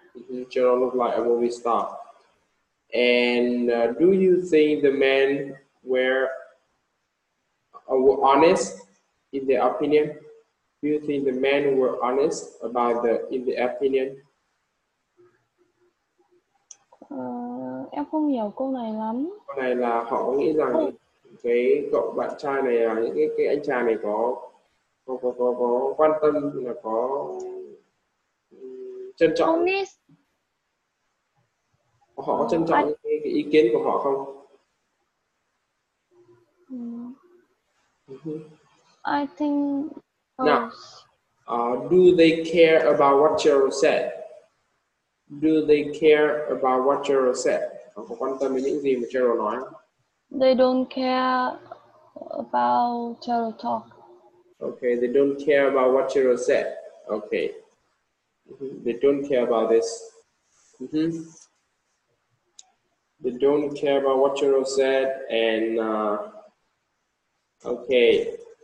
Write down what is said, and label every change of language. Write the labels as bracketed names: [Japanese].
[English] Mm-hmm. Cheryl look like a movie star. And do you think the men were honest in their opinion? Do you think the men were honest about the opinion? [Vietnamese] Em không hiểu câu này lắm. Câu này là họ nghĩ rằng cái cậu bạn trai này là cái anh trai này có quan tâm là có trân trọng. [English] Honest. [Vietnamese] Họ có trân trọng cái ý kiến của họ không? [English] I think. Now, do they care about what Cheryl said? Do they care about what Cheryl said? [Vietnamese] Họ có quan tâm đến những gì mà Cheryl nói? [English] They don't care about Cheryl talk. Okay, they don't care about what Cheryl said. Okay. They don't care about this. Mm-hmm. They don't care about what Cheryl said and okay.